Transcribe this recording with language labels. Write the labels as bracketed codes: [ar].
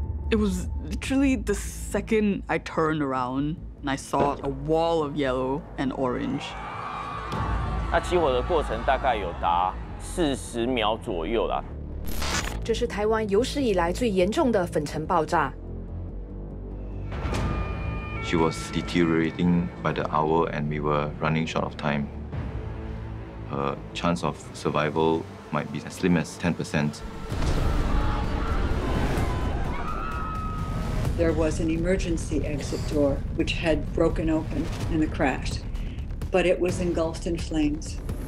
[en] It was literally the second I turned around and I saw a wall of yellow and orange. [zh] 那起火的过程大概有达40秒左右啦。这是台湾有史以来最严重的粉尘爆炸。 [en] She was deteriorating by the hour and we were running short of time. Her chance of survival might be as slim as 10%. There was an emergency exit door which had broken open in the crash, but it was engulfed in flames.